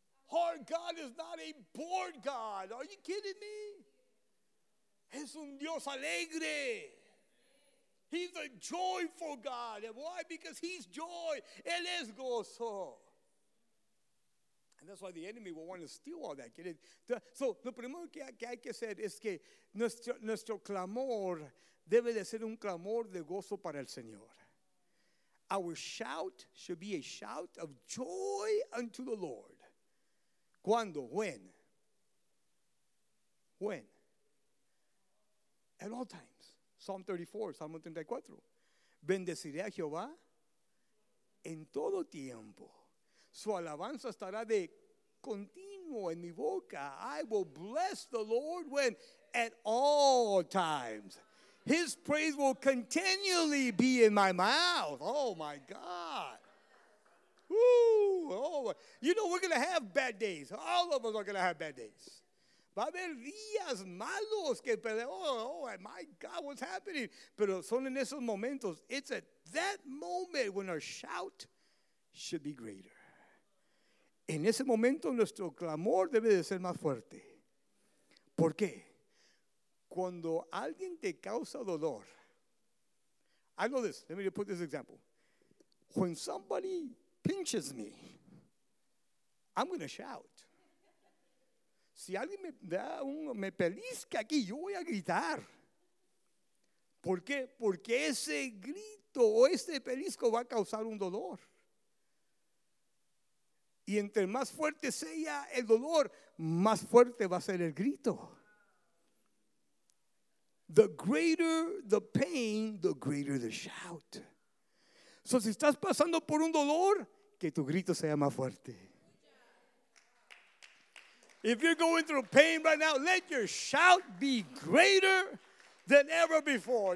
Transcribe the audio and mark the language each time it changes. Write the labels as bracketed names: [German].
[English] Our God is not a bored God. Are you kidding me? [Spanish] Es un Dios alegre. [English] He's a joyful God. And why? Because he's joy. [Spanish] Él es gozo. [English] And that's why the enemy will want to steal all that. Get it? [Spanish] So, lo primero que hay que hacer es que nuestro clamor debe de ser un clamor de gozo para el Señor. [English] Our shout should be a shout of joy unto the Lord. [Spanish] ¿Cuándo? [English] When? When? At all times. Psalm 34. [Spanish] Bendeciré a Jehová en todo tiempo. Su alabanza estará de continuo en mi boca. [English] I will bless the Lord when? At all times. His praise will continually be in my mouth. Oh, my God. Woo. Oh, you know, we're going to have bad days. All of us are going to have bad days. [Spanish] Va a haber días malos que peleen. [English] Oh, my God, what's happening? [Spanish] Pero son en esos momentos. [English] It's at that moment when our shout should be greater. [Spanish] En ese momento nuestro clamor debe de ser más fuerte. ¿Por qué? Cuando alguien te causa dolor. [English] I know this. Let me put this example. When somebody pinches me, I'm going to shout. [Spanish] Si alguien me pellizca aquí, yo voy a gritar. ¿Por qué? Porque ese grito o ese pellizco va a causar un dolor. Y entre más fuerte sea el dolor, más fuerte va a ser el grito. [English] The greater the pain, the greater the shout. [Spanish] So si estás pasando por un dolor, que tu grito sea más fuerte. [English] If you're going through pain right now, let your shout be greater than ever before.